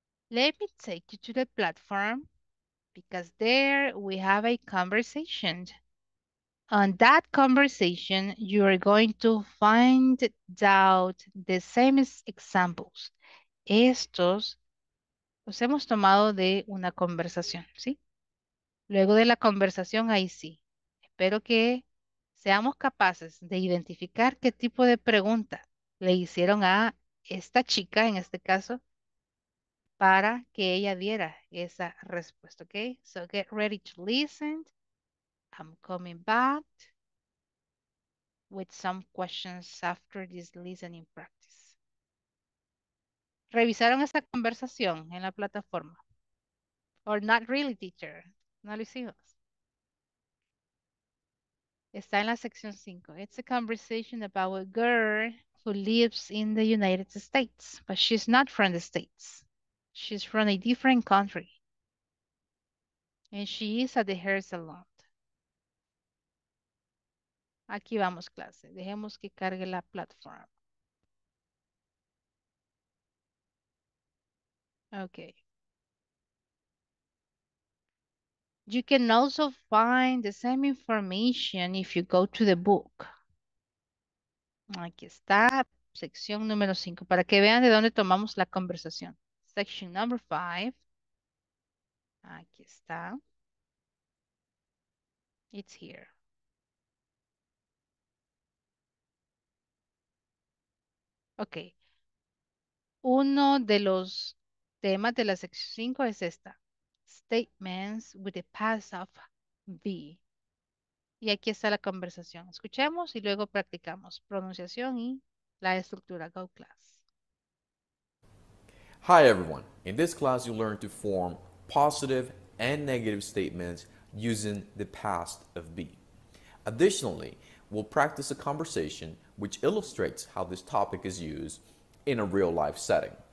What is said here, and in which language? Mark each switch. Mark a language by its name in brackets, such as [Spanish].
[English] Let me take you to the platform because there we have a conversation. On that conversation, you are going to find out the same examples. [Spanish] Estos los hemos tomado de una conversación, ¿sí? Luego de la conversación, ahí sí. Espero que seamos capaces de identificar qué tipo de pregunta le hicieron a esta chica, en este caso, para que ella diera esa respuesta, ¿ok? [English] So get ready to listen. I'm coming back with some questions after this listening practice. [Spanish] ¿Revisaron esta conversación en la plataforma? [English] Or not really, teacher. [Spanish] No lo hicimos. Está en la sección 5. [English] It's a conversation about a girl who lives in the United States, but she's not from the States. She's from a different country. And she is at the hair salon. [Spanish] Aquí vamos, clase. Dejemos que cargue la plataforma. [English] Okay. You can also find the same information if you go to the book. [Spanish] Aquí está, sección número 5, para que vean de dónde tomamos la conversación. [English] Section number 5. [Spanish] Aquí está. [English] It's here. [Spanish] Ok, uno de los temas de la sección 5 es esta, [English] statements with the past of be. [Spanish] Y aquí está la conversación, escuchemos y luego practicamos pronunciación y la estructura. [English] Go class. Hi everyone, in this class you learn to form positive and negative statements using the past of be. Additionally, we'll practice a conversation which illustrates how this topic is used in a real-life setting.